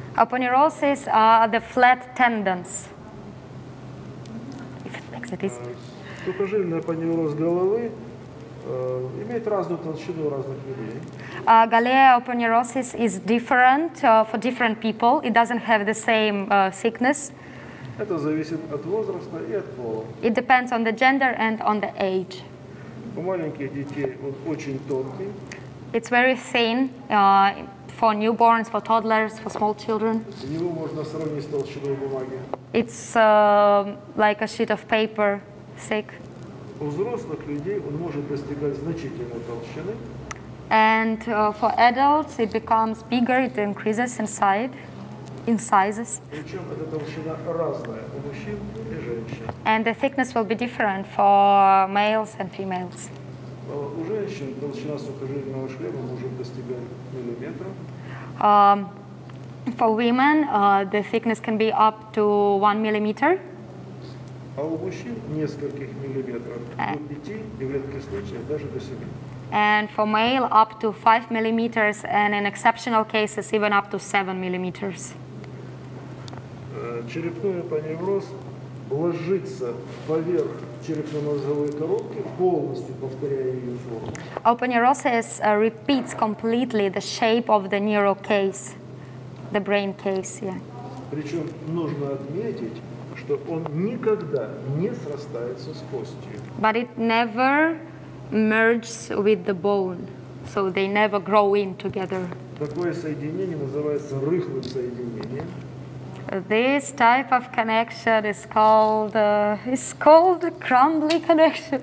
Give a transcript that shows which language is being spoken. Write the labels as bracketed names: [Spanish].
[English] Апонеуросис are the flat tendons. If it makes it easy. [Russian] Сухожильный апонеуроз головы имеет разную толщину разных людей. [English] Galea aponeurosis is different for different people. It doesn't have the same thickness. [Russian] Это зависит от возраста и от пола. [English] It depends on the gender and on the age. [Russian] У маленьких детей он очень тонкий. [English] It's very thin for newborns, for toddlers, for small children. [Russian] Его можно сравнить с толщиной бумаги. [English] It's like a sheet of paper thick. [Russian] У взрослых людей он может достигать значительной толщины. [English] And for adults it becomes bigger, it increases in sizes. [Russian] Причем эта толщина разная у мужчин и женщин. [English] And the thickness will be different for males and females. [Russian] У женщин толщина сухожильного шлема может достигать миллиметра. [English] For women, the thickness can be up to 1 millimeter. [Russian] А у мужчин нескольких миллиметров, до 5 и в редких случаях даже до 7. [English] And for male, up to 5 millimeters, and in exceptional cases, even up to 7 millimeters. [Russian] Черепной апоневроз ложится поверх черепно-мозговой коробки, полностью повторяя ее форму. [English] Aponeurosis repeats completely the shape of the neural case, the brain case, yeah. [Russian] Причем нужно отметить, что он никогда не срастается с костью. [English] But it never merges with the bone. So they never grow in together. [Russian] Такое соединение называется рыхлым соединением. [English] This type of connection is called a crumbly connection.